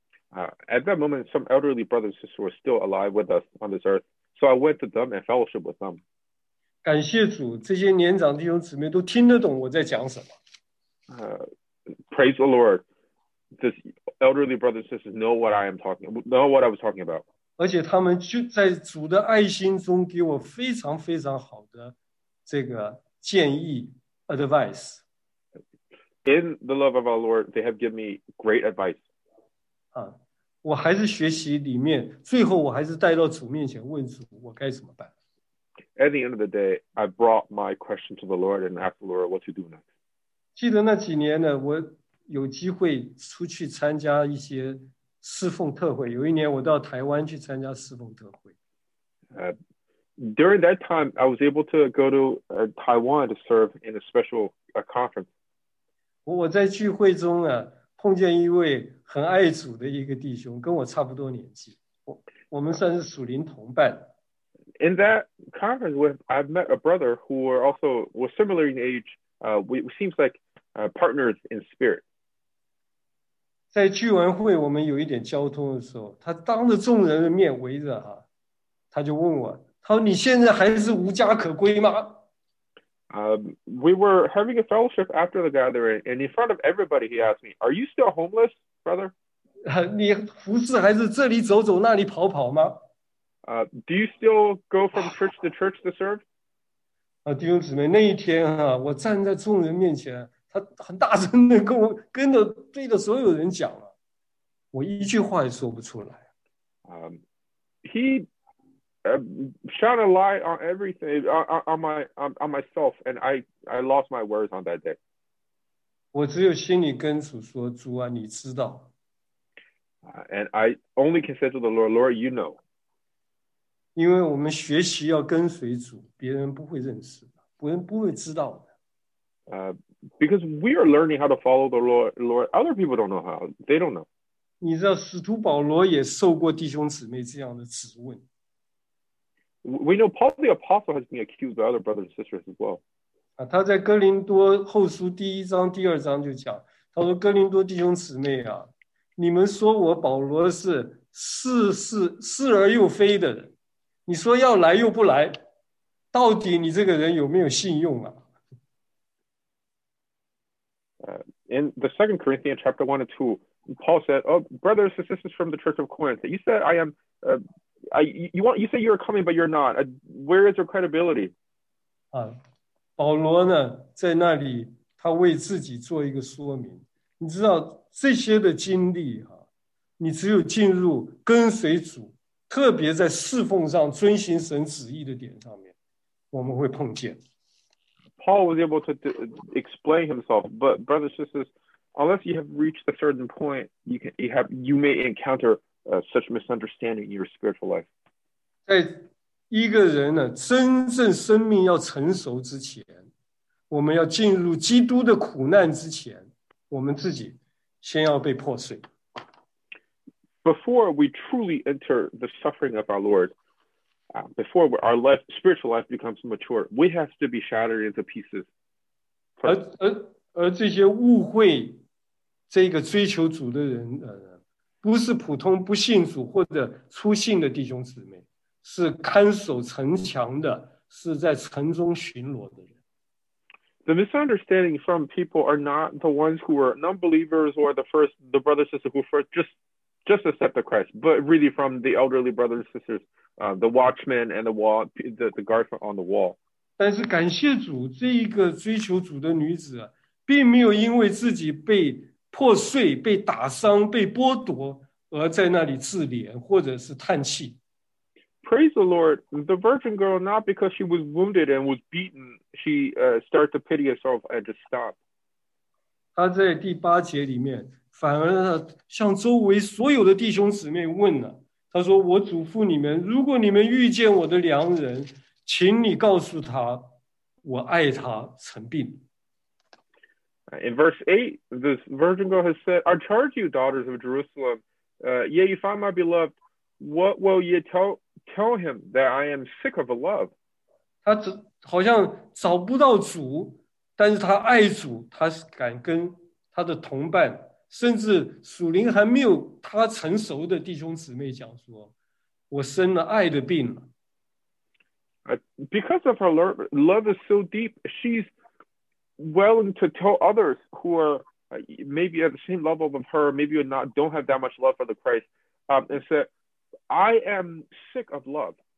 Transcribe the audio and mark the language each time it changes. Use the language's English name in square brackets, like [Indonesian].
[English] At that moment, some elderly brothers and sisters were still alive with us on this earth, so I went to them and fellowship with them. [Chinese] 感谢主，这些年长弟兄姊妹都听得懂我在讲什么。 [English] Praise the Lord. This elderly brother and sisters know what I am talking, know what I was talking about. [Chinese] 而且他们就在主的爱心中给我非常非常好的这个建议 advice. [English] In the love of our Lord, they have given me great advice. [Chinese] 我还是学习里面，最后我还是带到主面前问主，我该怎么办？ [English] At the end of the day, I brought my question to the Lord and asked the Lord what to do next. [Chinese] 记得那几年呢，我有机会出去参加一些侍奉特会。有一年我到台湾去参加侍奉特会。 [English] During that time, I was able to go to Taiwan to serve in a special conference. [Chinese] 我在聚会中啊，碰见一位很爱主的一个弟兄，跟我差不多年纪。我们算是属灵同伴。 [English] In that conference, I've met a brother who were also was similar in age. We seems like partners in spirit. [Chinese] 在聚完会，我们有一点交通的时候，他当着众人的面围着啊，他就问我，他说：“你现在还是无家可归吗？” [English] We were having a fellowship after the gathering, and in front of everybody, he asked me, "Are you still homeless, brother?" [Chinese] 你服侍还是这里走走，那里跑跑吗？ [English] Do you still go from church to church to serve? [Chinese] 弟兄姊妹，那一天啊，我站在众人面前，他很大声的跟我跟着对着所有人讲了，我一句话也说不出来。 [English] He shone a light on everything on myself, and I lost my words on that day. [Chinese] 我只有心里跟主说，主啊，你知道。 [English] And I only can say to the Lord, Lord, you know. [Chinese] 因为我们学习要跟随主，别人不会认识，别人不会知道的。 [English] Because we are learning how to follow the Lord, other people don't know how. They don't know. [Chinese] 你知道使徒保罗也受过弟兄姊妹这样的质问。 [English] We know Paul the Apostle has been accused by other brothers and sisters as well. [Chinese] 他在哥林多后书第一章、第二章就讲，他说：“哥林多弟兄姊妹啊，你们说我保罗是似而又非的人。” 你说要来又不来，到底你这个人有没有信用啊？ [English] In the Second Corinthians chapter 1 and 2, Paul said, "Oh, brothers and sisters from the church of Corinth, you said I am, you say you are coming, but you're not. Where is your credibility?" [Chinese] 保罗呢，在那里他为自己做一个说明。你知道这些的经历啊，你只有进入跟随主。特别在侍奉上遵行神旨意的点上面，我们会碰见。 [English] Paul was able to explain himself, but brothers and sisters, unless you have reached a certain point, you may encounter such misunderstanding in your spiritual life. [Chinese] 在一个人呢真正生命要成熟之前，我们要进入基督的苦难之前，我们自己先要被破碎。 [English] Before we truly enter the suffering of our Lord, before our life, spiritual life becomes mature, we have to be shattered into pieces. [Chinese] 而这些误会，这个追求主的人，不是普通不信主或者初信的弟兄姊妹，是看守城墙的，是在城中巡逻的人。 [English] The misunderstanding from people are not the ones who are non-believers or the brothers and sisters who first just accept the Christ, but really from the elderly brothers and sisters, the watchmen and the guards on the wall. [Chinese] 但是感谢主，这一个追求主的女子，并没有因为自己被破碎、被打伤、被剥夺而在那里自怜或者是叹气。 [English] Praise the Lord, the virgin girl, not because she was wounded and was beaten, she started to pity herself and just stopped. [Chinese] 她在第八节里面反而向周围所有的弟兄姊妹问了，他说：“我嘱咐你们，如果你们遇见我的良人，请你告诉他，我爱他成病。” [English] In verse 8, this virgin girl has said, "I charge you, daughters of Jerusalem, yet you find my beloved. What will you tell him that I am sick of a love?" [Chinese] 他好像找不到主，但是他爱主，他敢跟他的同伴。甚至属灵还没有他成熟的弟兄姊妹讲说，我生了爱的病了。 [English] Because of her love, love is so deep, she's willing to tell others who are maybe at the same level of her, maybe not, don't have that much love for the Christ, and say, I am sick of love.